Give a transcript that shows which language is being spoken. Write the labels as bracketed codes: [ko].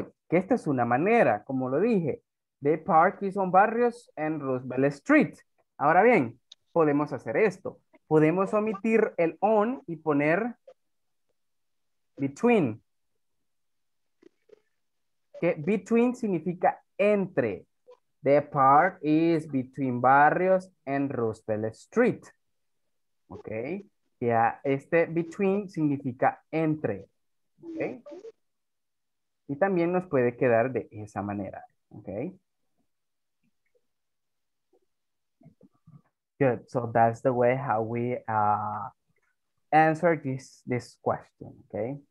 [es] Que esta es una manera, como lo dije. [en] The park is on Barrios and Roosevelt Street. [es] Ahora bien, podemos hacer esto. Podemos omitir el on y poner between. Que between significa entre. [en] The park is between Barrios and Roosevelt Street. [es] Ok. Ya este between significa entre. Ok. Y también nos puede quedar de esa manera. [en] Ok. Good. So that's the way how we answer this question, okay?